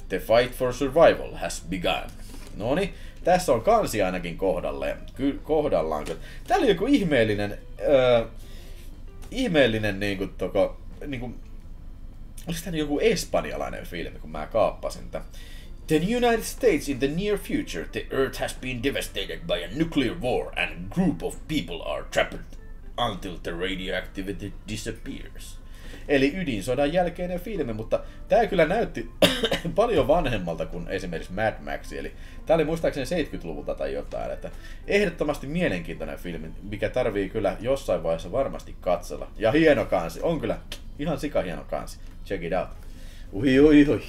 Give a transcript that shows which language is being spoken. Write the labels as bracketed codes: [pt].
[en] The fight for survival has begun. [fi] Noni, tässä on kansi ainakin kohdalleen. Kohdallaan. Tää oli joku ihmeellinen niinku toko, niinku, olis tää joku espanjalainen filmi, kun mä kaappasin tää. [en] The United States in the near future, the earth has been devastated by a nuclear war and a group of people are trapped until the radioactivity disappears. [fi] eli ydinsodan jälkeinen filmi, mutta tämä kyllä näytti paljon vanhemmalta kuin esimerkiksi Mad Max, eli tämä oli muistaakseni 70-luvulta tai jotain, että ehdottomasti mielenkiintoinen filmi, mikä tarvii kyllä jossain vaiheessa varmasti katsella. Ja hieno kansi, on kyllä ihan sikahieno kansi, [en] check it out. [fi] Ui.